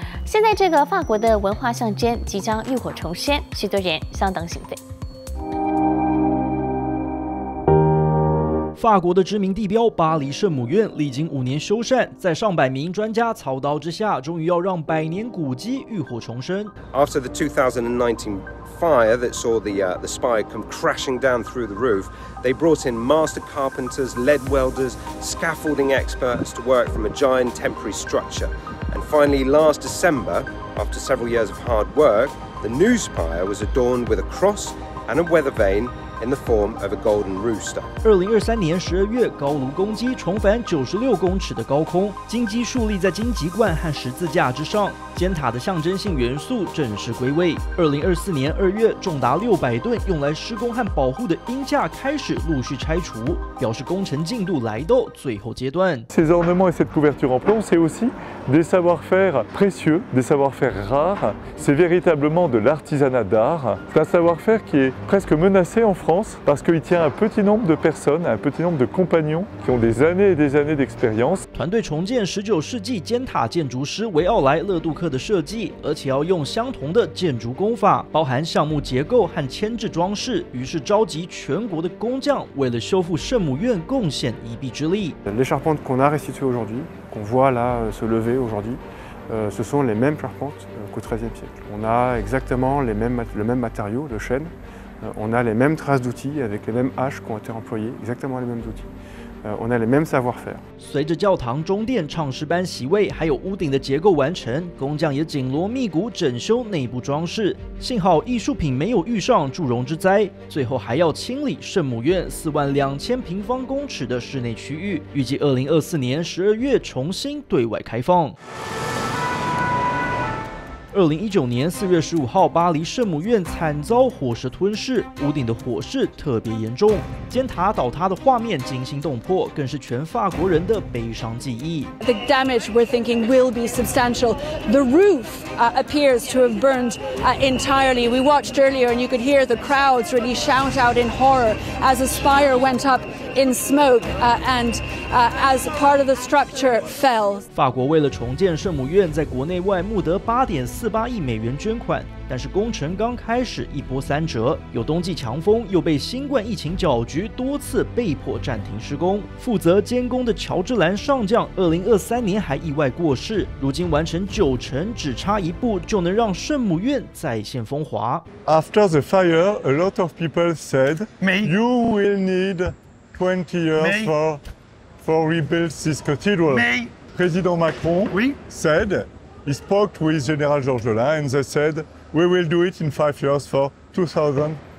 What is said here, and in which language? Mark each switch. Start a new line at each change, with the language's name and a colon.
Chinese: 现在这个法国的文化象征即将浴火重生，许多人相当兴奋。法国的知名地标巴黎圣母院历经5年修缮，在上百名专家操刀之下，终于要让百年古迹浴火重生。
English: After the 2019 fire that saw the spire come crashing down through the roof, they brought in master carpenters, lead welders, scaffolding experts to work from a giant temporary structure. And finally, last December, after several years of hard work, the new spire was adorned with a cross and a weather vane. In the form of a golden rooster.
Chinese: 2023年12月，高卢公鸡重返96公尺的高空，金鸡竖立在金鸡冠和十字架之上，尖塔的象征性元素正式归位。 2024年2月，重达600吨用来施工和保护的鹰架开始陆续拆除，表示工程进度来到最后阶段。
French: Ces ornements et cette couverture en plomb, c'est aussi des savoir-faire précieux, des savoir-faire rares. C'est véritablement de l'artisanat d'art. C'est un savoir-faire qui est presque menacé en France parce qu'il tient un petit nombre de personnes, un petit nombre de compagnons qui ont des années et des années d'expérience.
Chinese: 团队重建19世纪尖塔建筑师维奥莱勒杜克的设计，而且要用相同的建筑工法，包含项目结构和铅制装饰。于是召集全国的工匠，为了修复圣母院贡献一臂之力。
French: Les charpentes qu'on a restituées aujourd'hui, qu'on voit là se lever aujourd'hui, ce sont les mêmes charpentes qu'au XIIIe siècle. On a exactement le même matériau, le chêne. On a les mêmes traces d'outils avec les mêmes haches qui ont été employées, exactement les mêmes outils. On a les mêmes savoir-faire.
Chinese: 随着教堂中殿唱诗班席位，还有屋顶的结构完成，工匠也紧锣密鼓整修内部装饰。幸好艺术品没有遇上祝融之灾。最后还要清理圣母院42000平方公尺的室内区域，预计2024年12月重新对外开放。 2019年4月15号，巴黎圣母院惨遭火势吞噬，屋顶的火势特别严重，尖塔倒塌的画面惊心动魄，更是全法国人的悲伤记忆。
English: The damage we're thinking will be substantial. The roof appears to have burned entirely. We watched earlier, and you could hear the crowds really shout out in horror as a spire went up in smoke and as part of the structure fell.
Chinese: 法国为了重建圣母院，在国内外募得8.48亿美元捐款，但是工程刚开始一波三折，有冬季强风，又被新冠疫情搅局，多次被迫暂停施工。负责监工的乔治兰上将2023年还意外过世，如今完成90%，只差一步就能让圣母院再现风华。
English: After the fire, a lot of people said, "You will need 20 years for rebuild this cathedral." President Macron said. He spoke with General Georgelin and they said, we will do it in 5 years for 2024.